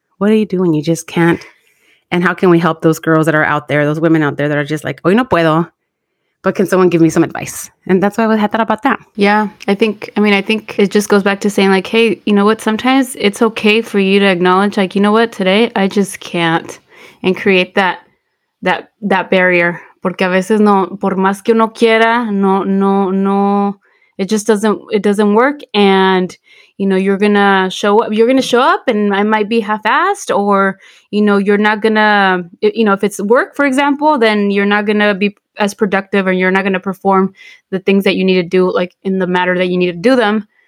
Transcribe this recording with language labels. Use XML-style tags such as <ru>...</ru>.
<en>What do you do when you just can't? And how can we help those girls that are out there, those women out there that are just like,</en> <es>hoy no puedo,</es> <en>but can someone give me some advice? And that's why I had thought about that. Yeah, I think it just goes back to saying like, hey, you know what? Sometimes it's okay for you to acknowledge like, you know what? Today, I just can't, and create that barrier.</en> <es>Porque a veces no, por más que uno quiera, no.</es> <en>It just doesn't work. And, you know, you're going to show up and I might be half-assed, or, you know, you're not going to, you know, if it's work, for example, then you're not going to be as productive and you're not going to perform the things that you need to do, like in the matter that you need to do them.</en>